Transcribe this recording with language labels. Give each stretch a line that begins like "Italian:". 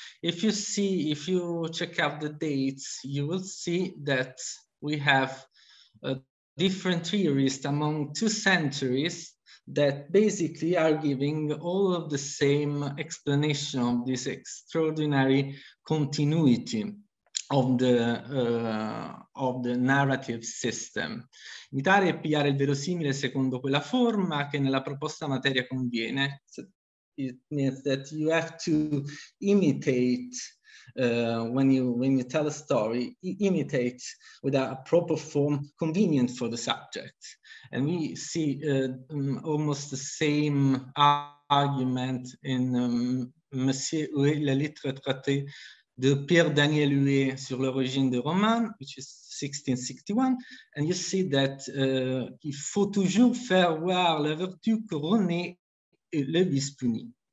English: If you check out the dates, you will see that we have different theorists among two centuries that basically are giving all of the same explanation of this extraordinary continuity of the narrative system.
Italian: Imitare e pigliare il verosimile secondo quella forma che nella proposta materia conviene.
English: So it means that you have to imitate when you tell a story, imitate with a proper form convenient for the subject. And we see almost the same argument in Monsieur Huet, La Lettre Traité de Pierre Daniel Huet sur l'origine de Roman, which is 1661, and you see that
French: il faut toujours faire voir la vertu couronnée et le vice puni.